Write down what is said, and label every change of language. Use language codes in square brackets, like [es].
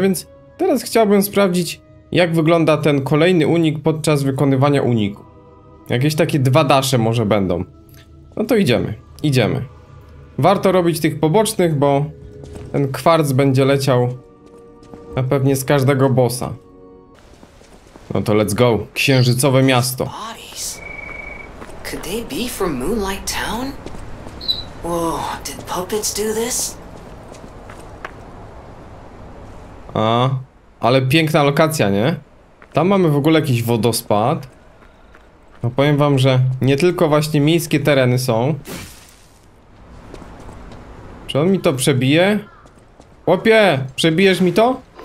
[pl] Więc teraz chciałbym sprawdzić, jak wygląda ten kolejny unik podczas wykonywania uniku. Jakieś takie dwa dasze może będą. No to idziemy. Idziemy. Warto robić tych pobocznych, bo ten kwarc będzie leciał na pewnie z każdego bossa. No to [en] let's go. [pl] Księżycowe miasto. Bodies. [en] Could they be from Moonlight Town? Whoa, did puppets do this? [pl] A, ale piękna lokacja, nie? Tam mamy w ogóle jakiś wodospad. No powiem wam, że nie tylko właśnie miejskie tereny są. Czy on mi to przebije? Chłopie, przebijesz mi to?